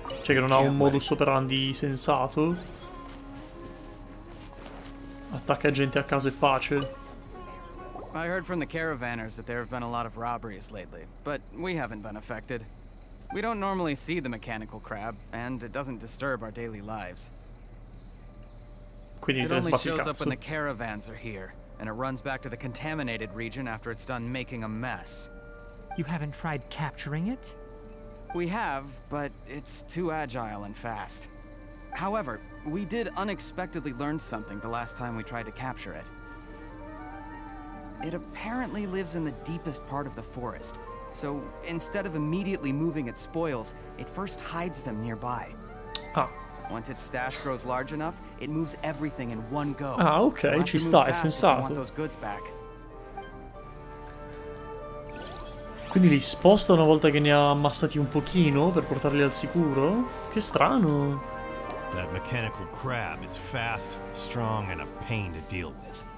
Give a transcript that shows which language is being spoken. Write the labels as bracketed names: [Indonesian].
[Italian] Cioè che non ha un modus operandi sensato. Attacca gente a caso e pace. [English] I heard from the caravanners that there have been a lot of robberies lately, but we haven't been affected. We don't normally see the mechanical crab, and it doesn't disturb our daily lives. [Italian] Quindi [English] it only shows up when the caravans are here, and it runs back to the contaminated region after it's done making a mess. You haven't tried capturing it? We have, but it's too agile and fast. However, we did unexpectedly learn something the last time we tried to capture it. It apparently lives in the deepest part of the forest, so instead of immediately moving its spoils, it first hides them nearby. Ah. Once its stash grows large enough, it moves everything in one go. [Italian] Ah, okay, ci sta, è sensato. [English] We want those goods back. [Italian] Quindi li sposta una volta che ne ha ammassati un pochino per portarli al sicuro? Che strano. [English] That mechanical crab is fast, strong, and a pain to deal with.